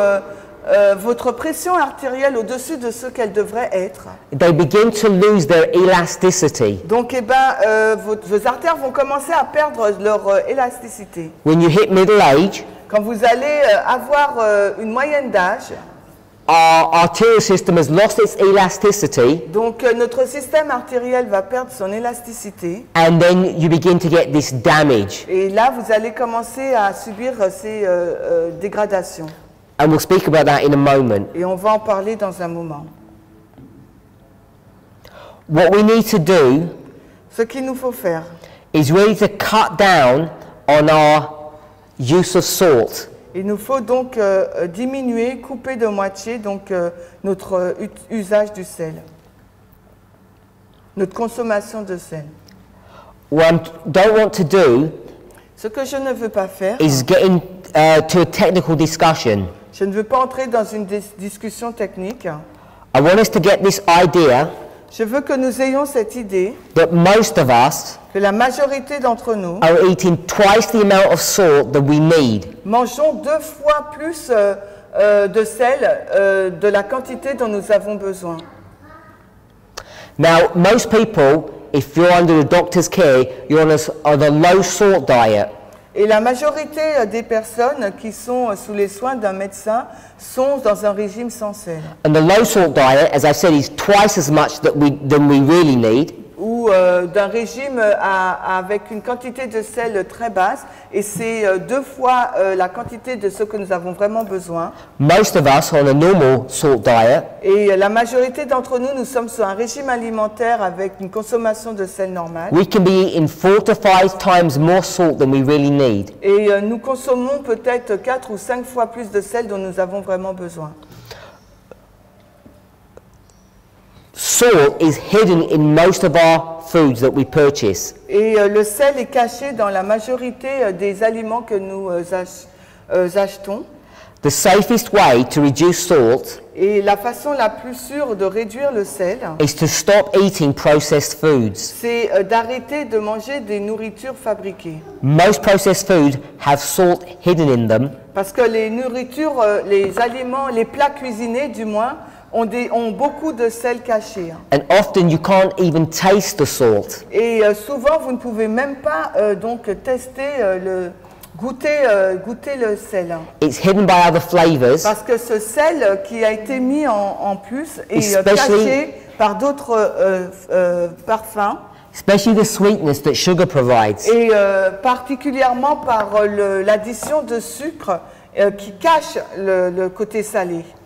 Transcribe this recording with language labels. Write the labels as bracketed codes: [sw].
[fr] Si vous maintenez votre pression artérielle au-dessus de ce qu'elle devrait être. [en] They begin to lose their elasticity. [fr] Donc, eh ben, vos artères vont commencer à perdre leur élasticité. [en] When you hit middle age, [fr] quand vous allez avoir une moyenne d'âge, [en] our arterial system has lost its elasticity. [fr] Donc notre système artériel va perdre son élasticité. [en] And then you begin to get this damage. [fr] Et là vous allez commencer à subir ces dégradations. [en] And we'll speak about that in a moment. [fr] Et on va en parler dans un moment. [en] What we need to do. [fr] Ce qu'il nous faut faire. [en] Is really to cut down on our use of salt. [fr] Il nous faut donc diminuer, couper de moitié donc notre usage du sel, notre consommation de sel. [en] What I don't want to do. [fr] Ce que je ne veux pas faire. [en] Is getting to a technical discussion. [fr] Je ne veux pas entrer dans une discussion technique. [en] I want us to get this idea. [fr] Je veux que nous ayons cette idée. [en] That most of us. [fr] Que la majorité d'entre nous. [en] Are eating twice the amount of salt that we need. [fr] Mangeons 2 fois plus de sel de la quantité dont nous avons besoin. [en] Now, most people, if you're under a doctor's care, you're on a low salt diet. [fr] Et la majorité des personnes qui sont sous les soins d'un médecin sont dans un régime sans sel. [en] And the low salt diet, as I said, is twice as much that we really need. [fr] ou d'un régime avec une quantité de sel très basse, et c'est deux fois la quantité de ce que nous avons vraiment besoin. [en] Most of us on a normal salt diet. [fr] Et la majorité d'entre nous, nous sommes sur un régime alimentaire avec une consommation de sel normale. [en] We can be eating 4 to 5 times more salt than we really need. [fr] Et nous consommons peut-être 4 ou 5 fois plus de sel dont nous avons vraiment besoin. [en] Salt is hidden in most of our foods that we purchase. [fr] Et le sel est caché dans la majorité des aliments que nous achetons. [en] The safest way to reduce salt. [fr] Et la façon la plus sûre de réduire le sel. [en] Is to stop eating processed foods. [fr] C'est d'arrêter de manger des nourritures fabriquées. [en] Most processed foods have salt hidden in them. [fr] Parce que les nourritures, les aliments, les plats cuisinés, du moins. Ont beaucoup de sel caché. [en] And often you can't even taste the salt. [fr] Et souvent vous ne pouvez même pas donc tester le goûter le sel. [en] It's hidden by other flavors. [fr] Parce que ce sel qui a été mis en plus est [en] especially, [fr] caché par d'autres parfums. [en] Especially the sweetness that sugar provides. [fr] Et particulièrement par l'addition de sucre qui cache le côté salé.